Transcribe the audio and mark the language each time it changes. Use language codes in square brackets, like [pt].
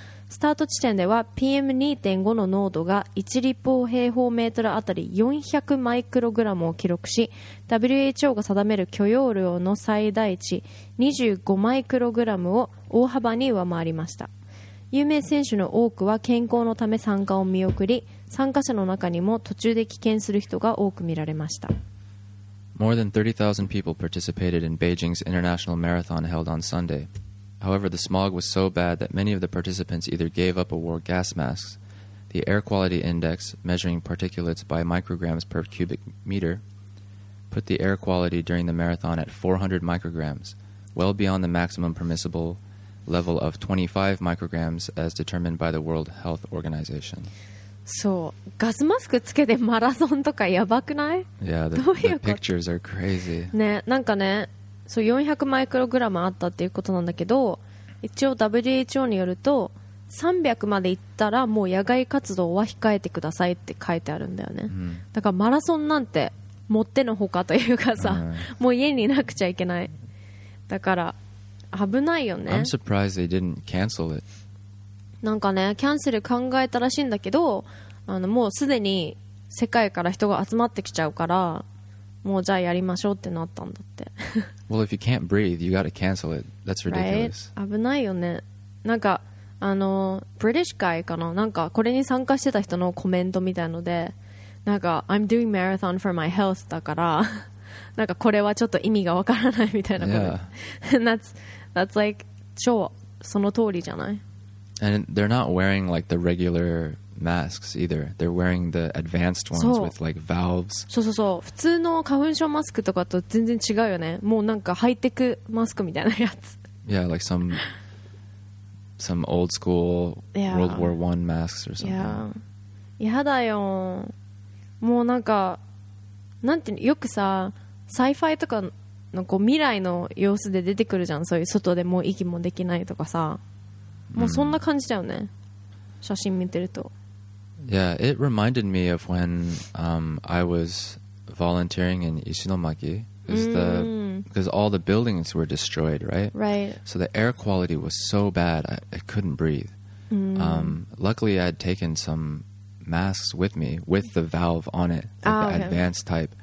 [ja] スタート地点では PM2.5 の濃度が1立方平方メートルあたり400マイクログラムを記録し、 WHO が定める許容量の最大値25マイクログラムを大幅に上回りました。有名選手の多くは健康のため参加を見送り、参加者の中にも途中で棄権する人が多く見られました。 [en] More than 30,000 people participated in Beijing's International Marathon held on Sunday. However, the smog was so bad that many of the participants either gave up or wore gas masks. The air quality index, measuring particulates by micrograms per cubic meter, put the air quality during the marathon at 400 micrograms, well beyond the maximum permissible level of 25 micrograms as determined by the World Health Organization. [ja] そう、ガスマスクつけてマラソンとかやばくない [en] ？Yeah, the pictures are crazy. [ja] ね、なんかね、そう、400マイクログラムあったっていうことなんだけど、一応 WHO によると300までいったらもう野外活動は控えてくださいって書いてあるんだよね、mm. だからマラソンなんて持ってのほかというかさ、もう家にいなくちゃいけない、だから危ないよね。 [en] I'm surprised they didn't cancel it. [ja] なんかね、キャンセル考えたらしいんだけど、もうすでに世界から人が集まってきちゃうから、もうじゃあやりましょうってなったんだって [en] Well, if you can't breathe, you gotta cancel it. That's ridiculous. Right? [ja] 危ないよね。なんか、British guy かな、なんかこれに参加してた人のコメントみたいので、なんか [en] I'm doing marathon for my health [ja] だからなんかこれはちょっと意味がわからないみたいなこと、 [en] yeah. that's like [ja] 超その通りじゃない。 [en] And they're not wearing like the regular masks either. They're wearing the advanced ones with like valves. [ja] そうそうそう。普通の花粉症マスクとかと全然違うよね。もうなんかハイテクマスクみたいなやつ。 [en] Yeah, like some old school World War One masks or something. Yeah. [ja] やだよ。もうなんか、なんていうの、よくさ、サイファイとかのこう未来の様子で出てくるじゃん。そういう外でもう息もできないとかさ。もうそんな感じだよね、写真見てると。 [en] Yeah, it reminded me of when I was volunteering in Ishinomaki, because all the buildings were destroyed, right? Right. So the air quality was so bad, I couldn't breathe. Luckily, I had taken some masks with me with the valve on it, the advanced type.